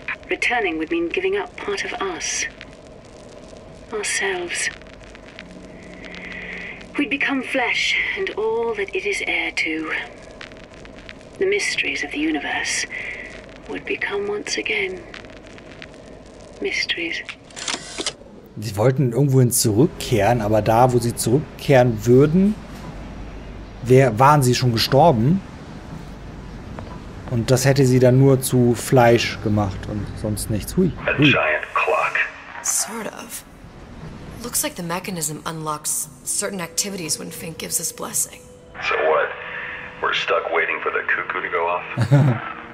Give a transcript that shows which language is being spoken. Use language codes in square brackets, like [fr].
[en] Returning would mean giving up part of us. Ourselves. We'd become flesh and all that it is heir to. The mysteries of the universe would become once again mysteries. [de] Sie wollten irgendwohin zurückkehren, aber da, wo sie zurückkehren würden, waren sie schon gestorben. Und das hätte sie dann nur zu Fleisch gemacht und sonst nichts. Hui. [en] Hui. A giant clock. Sort of. Looks like the mechanism unlocks certain activities when Fink gives his blessing. So what? We're stuck waiting for the cuckoo to go off?